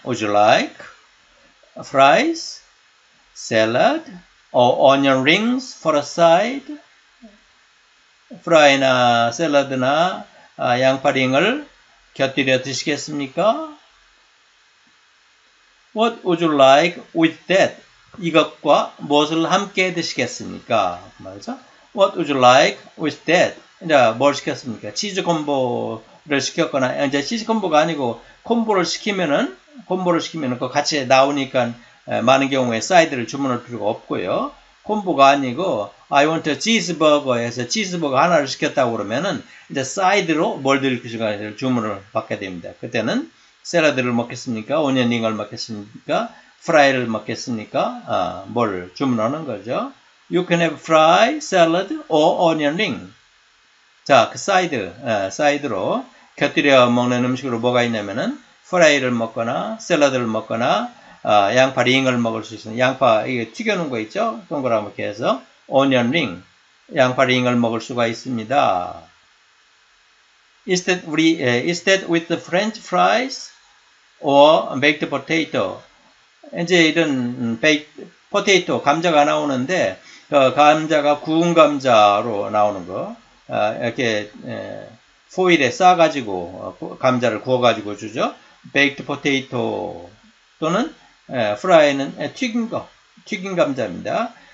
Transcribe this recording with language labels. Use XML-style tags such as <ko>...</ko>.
<en>Would you like fries, salad, or onion rings for a side?</en> <ko>프라이나 샐러드나 양파링을 곁들여 드시겠습니까?</ko> <en>What would you like with that?</en> <ko>이것과 무엇을 함께 드시겠습니까? 말이죠.</ko> <en>What would you like with that?</en> <ko>이제 뭘 시켰습니까? 치즈 콤보를 시켰거나 이제 치즈 콤보가 아니고 콤보를 시키면은 그 같이 나오니까 많은 경우에 사이드를 주문할 필요가 없고요. 콤보가 아니고</ko> <en>I want a cheeseburger</en> <ko>에서 치즈버거 하나를 시켰다고 그러면은 이제 사이드로 뭘 드릴 것인가 주문을 받게 됩니다. 그때는 샐러드를 먹겠습니까? 오니언링을 먹겠습니까? 프라이를 먹겠습니까? 뭘 주문하는 거죠?</ko> <en>You can have fry, salad, or onion ring.</en> <ko>자, 그 사이드로 곁들여 먹는 음식으로 뭐가 있냐면은 프라이를 먹거나 샐러드를 먹거나 양파 링을 먹을 수 있어요. 양파 이게 튀겨놓은 거 있죠? 동그라미 해서 onion ring, 양파 링을 먹을 수가 있습니다.</ko> <en>Is that with the French fries or baked potato?</en> <ko>이제 이런 포테이토 감자가 나오는데 그 감자가 구운 감자로 나오는 거 이렇게 포일에 싸가지고 감자를 구워가지고 주죠. 베이크드 포테이토 또는 프라이는 튀긴 거 튀긴 감자입니다.</ko>